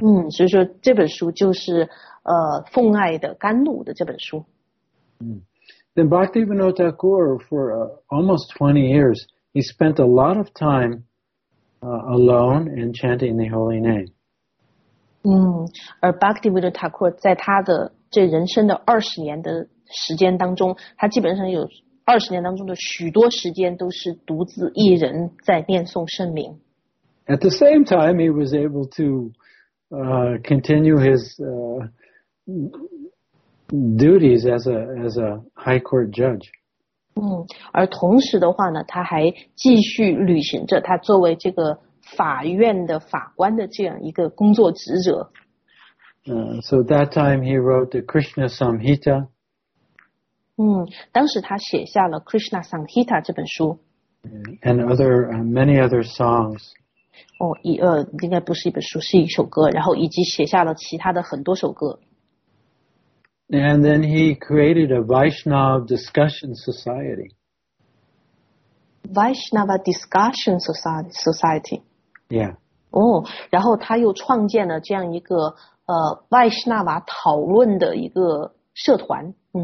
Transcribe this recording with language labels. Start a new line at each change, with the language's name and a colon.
Chinese: 所以说这本书就是奉爱的甘露的这本书。
English: Then Bhaktivinoda Thakur for almost 20 years, he spent a lot of time alone and chanting the holy name.
Chinese: 而 Bhaktivinoda Thakur 在他的这人生的20年的时间当中，他基本上有20年当中的许多时间都是独自一人在念诵圣名。
English: At the same time, he was able to continue his duties as a high court judge.
Chinese: 而同时的话呢，他还继续履行着他作为这个法院的法官的这样一个工作职责。
English: So that time he wrote the Krishna Samhita.
Chinese: 当时他写下了 Krishna Samhita 这本书。
English: And other many other songs.
Chinese: 应该不是一本书，是一首歌，然后以及写下了其他的很多首歌。
English: And then he created a Vaishnav Discussion Society. Vaishnava Discussion Society. Yeah.
Chinese: 然后他又创建了这样一个Vaishnava 讨论的一个社团。